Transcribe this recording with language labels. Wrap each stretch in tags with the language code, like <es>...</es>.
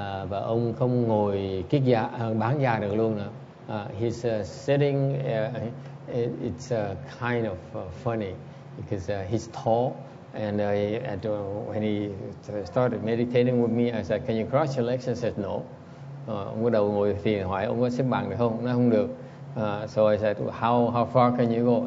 <vi>Và ông không ngồi kiết già, bán già được luôn nữa.</vi> <en>He's sitting it's kind of funny because he's tall. And when he started meditating with me, I said, "Can you cross your legs?" He said, "No."</en> <vi>Ông bắt đầu ngồi thiền hỏi ông có xếp bằng được không? Nói không được.</vi> <en>So I said, "How far can you go?"</en>